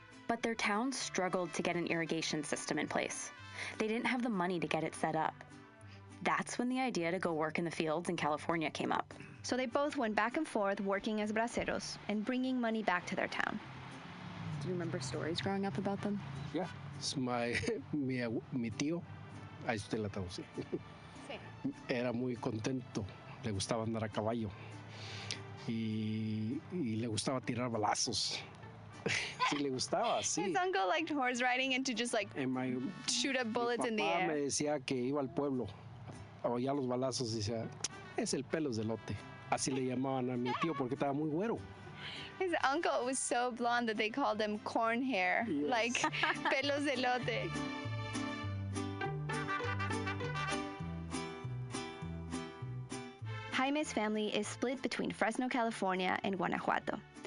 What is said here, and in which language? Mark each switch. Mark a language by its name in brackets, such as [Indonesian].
[English] But their town struggled to get an irrigation system in place. They didn't have the money to get it set up. That's when the idea to go work in the fields in California came up. So they both went back and forth working as braceros and bringing money back to their town. Do you remember stories growing up about them? Yeah. [Spanish] It's mi tío, ahí usted la traduce. Era muy contento, le gustaba andar a caballo y le gustaba tirar balazos. [English] His uncle liked horse riding and to just like shoot up bullets in the air. [Spanish] Mi papá me decía que iba al pueblo, oía los balazos y decía, es el pelo de elote. Así le llamaban a mi tío porque estaba muy güero. [English] His uncle was so blonde that they called him corn hair, yes. Like [Spanish] pelos de elote. [English] Jaime's family is split between Fresno, California and Guanajuato.